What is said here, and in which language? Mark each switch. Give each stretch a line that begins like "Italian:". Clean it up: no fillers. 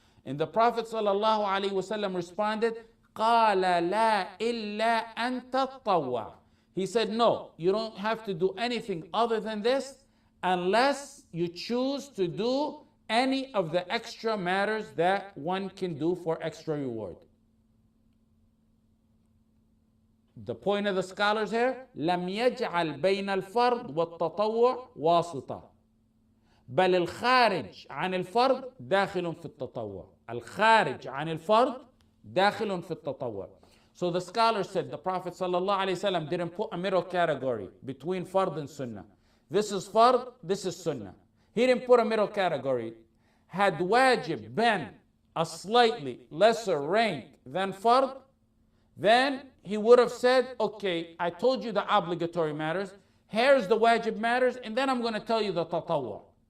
English: And the Prophet sallallahu alayhi wasallam responded,
Arabic: قَالَ لَا إِلَّا أَن تَطَّوَّعَ.
English: He said, no, you don't have to do anything other than this unless you choose to do any of the extra matters that one can do for extra reward. The point of the scholars here,
Arabic: لَمْ يَجْعَلْ بَيْنَ الْفَرْضِ وَالتَّطَوُّعِ وَاسِطًا بَلِ الْخَارِجْ عَنِ الْفَرْضِ دَاخِلٌ فِي التَّطَوُّعِ. الْخَارِجْ عَنِ الْفَرْضِ دَاخِلٌ فِي التَّطَوُّعِ.
English: So the scholar said the Prophet sallallahu alayhi wa sallam didn't put a middle category between fard and sunnah. This is fard, this is sunnah. He didn't put a middle category. Had wajib been a slightly lesser rank than fard, then he would have said, okay, I told you the obligatory matters, here's the wajib matters, and then I'm going to tell you the tatawwa.